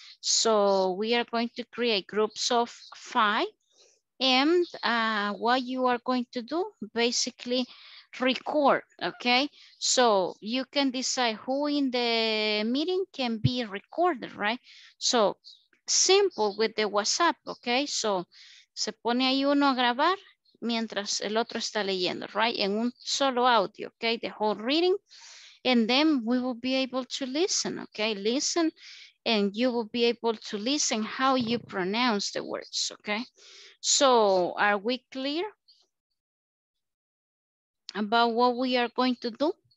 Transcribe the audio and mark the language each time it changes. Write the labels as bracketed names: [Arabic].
[English] So we are going to create groups of 5. And what you are going to do, basically, record, okay? So you can decide who in the meeting can be recorded, right? So simple with the WhatsApp, okay? [Spanish] So se pone ahí uno a grabar mientras el otro está leyendo, right? En un solo audio, [English] okay? The whole reading. And then we will be able to listen, okay? Listen, and you will be able to listen how you pronounce the words, okay? So are we clear about what we are going to do?